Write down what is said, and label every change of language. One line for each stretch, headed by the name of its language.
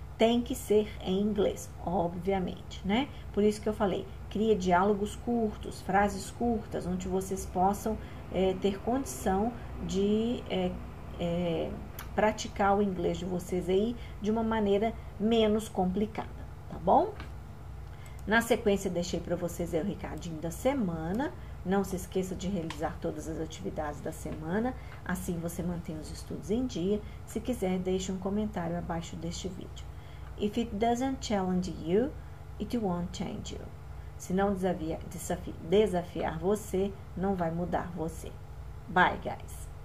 Portuguese: Tem que ser em inglês, obviamente, né? Por isso que eu falei, cria diálogos curtos, frases curtas, onde vocês possam ter condição de praticar o inglês de vocês aí de uma maneira menos complicada, tá bom? Na sequência, deixei para vocês aí o recadinho da semana. Não se esqueça de realizar todas as atividades da semana, assim você mantém os estudos em dia. Se quiser, deixe um comentário abaixo deste vídeo.
English: If it doesn't challenge you, it won't change you.
Portuguese: Se não desafiar você, não vai mudar você.
English: Bye, guys.